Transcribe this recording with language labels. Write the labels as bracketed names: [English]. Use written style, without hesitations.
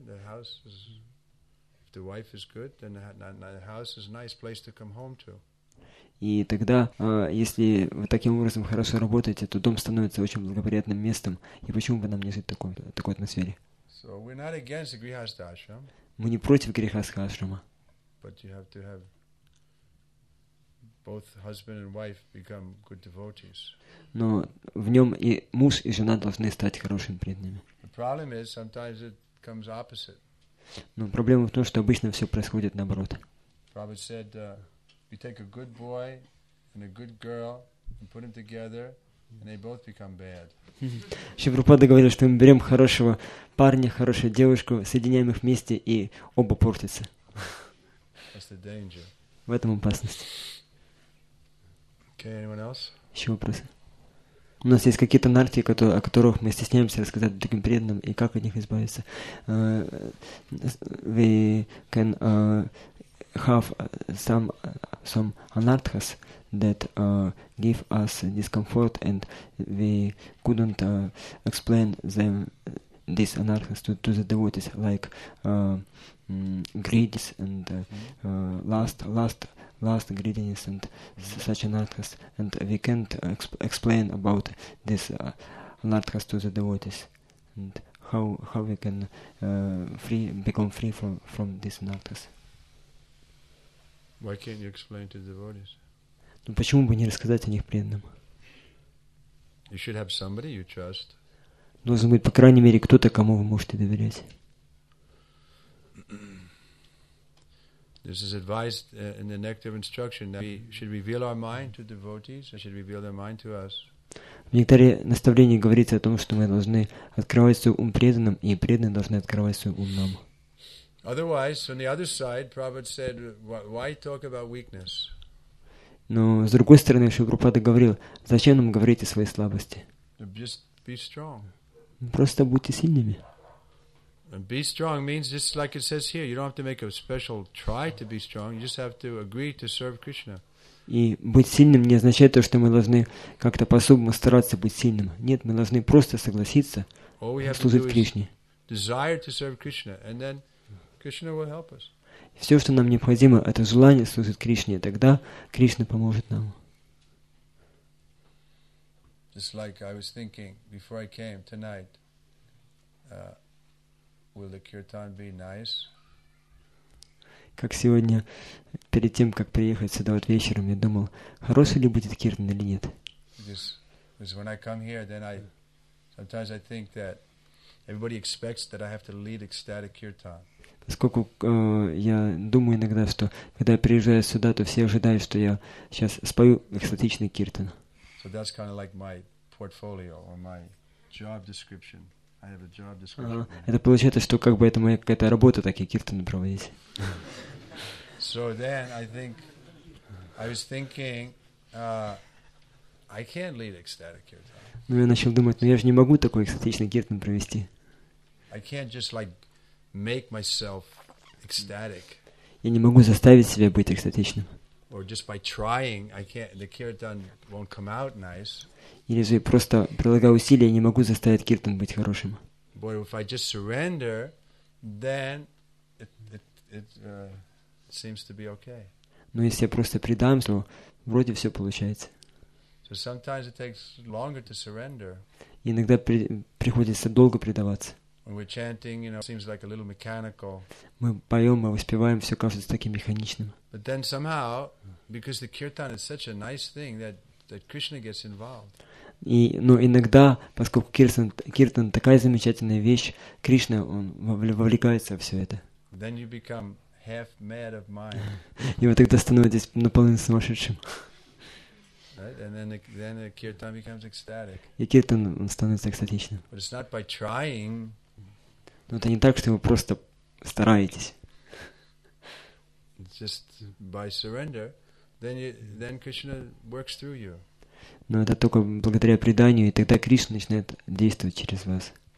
[English] The house is, if the wife is good, then the house is a nice place to come home to. [Russian] И тогда, если вы таким образом хорошо работаете, то дом становится очень благоприятным местом. И почему бы нам не жить в такой атмосфере? [English] So we're not against the grihastha ashram. [Russian] Мы не против грихастха ашрама. [English] But you have to have both husband and wife become good devotees. [Russian] Но в нем и муж, и жена должны стать хорошими преданными. [English] Problem is sometimes it comes opposite. [Russian] Но проблема в том, что обычно все происходит наоборот. [English] Prabhupada said, you take a good boy and a good girl and put them together, and they both become bad. [Russian] Шри Прабхупада говорил, что мы берем хорошего парня, хорошую девушку, соединяем их вместе, и оба портятся. [English] That's the danger. [Russian] В этом опасность. [English] Okay, anyone else? [Russian] Еще вопросы? У нас есть какие-то нарти, о которых мы стесняемся рассказать таким преданным, и как от них избавиться. [English] We can have some anarthas that give us discomfort, and we couldn't explain them, these anarthas, to the devotees, like greed and lust, greediness, and such anarthas, and we can't explain about this anarthas to the devotees, and how we can become free from this anarthas. Why can't you explain to the devotees? [Russian] Ну почему бы не рассказать о них преданным? [English] You should have somebody you trust. [Russian] Должен быть, по крайней мере, кто-то, кому вы можете доверять. [English] This is advised in the nectar of instruction that we should reveal our mind to devotees and should reveal their mind to us. [Russian] В нектаре наставлений говорится о том, что мы должны открывать свой ум преданным, и преданные должны открывать свой ум нам. [English] Otherwise, on the other side, Prabhupada said, why talk about weakness? [Russian] Но с другой стороны, Шри Прабхупада говорил, зачем нам говорить о своей слабости? [English] Just be strong. [Russian] Просто будьте сильными. [English] And be strong means just like it says here, you don't have to make a special try to be strong, you just have to agree to serve Krishna. [Russian] И быть сильным не означает то, что мы должны как-то по-особому стараться быть сильным. Нет, мы должны просто согласиться служить Кришне. Все, что нам необходимо, это желание служить Кришне, тогда Кришна поможет нам. [English] Just like I was thinking before I came tonight, will the kirtan be nice? [Russian] Как сегодня, перед тем, как приехать сюда вот вечером, я думал, хороший ли будет киртан или нет. [English] Because when I come here, then I sometimes I think that everybody expects that I have to lead ecstatic kirtan. [Russian] Поскольку я думаю иногда, что когда я приезжаю сюда, то все ожидают, что я сейчас спою экстатичный киртан. [English] So that's kind of like my portfolio or my job description. I have a job description. [Russian] Это получается, что как бы это моя какая-то работа, так и киртан проводить. [English] So then I think I was thinking I can't lead ecstatic kirtan. [Russian] Ну я начал думать, ну я же не могу такой экстатичный киртан провести. [English] I can't just like make myself ecstatic. [Russian] Я не могу заставить себя быть экстатичным. [English] Or just by trying, I can't. The kirtan won't come out nice. [Russian] Или же просто прилагая усилия, не могу заставить киртан быть хорошим. [English] But if I just surrender, then it seems to be okay. [Russian] Но если я просто предам, то вроде все получается. [English] So sometimes it takes longer to surrender. [Russian] Иногда приходится долго предаваться. [English] When we're chanting, you know, it seems like a little mechanical. [Russian] Мы поем, мы воспеваем, все кажется таким механичным. [English] But then somehow, because the kirtan is such a nice thing, that Krishna gets involved. [Russian] И, но иногда, поскольку киртан такая замечательная вещь, Кришна он вовлекается во все это. [English] Then you become half mad of mind. [Russian] И вы тогда становитесь наполовину сумасшедшим. [English] Right? And then the kirtan becomes ecstatic. [Russian] И киртан он становится экстатичным. [English] But it's not by trying. [Russian] Но это не так, что вы просто стараетесь. [English] Just by surrender, then Krishna works through you. [Russian] Но это только благодаря преданию, и тогда Кришна начинает действовать через вас.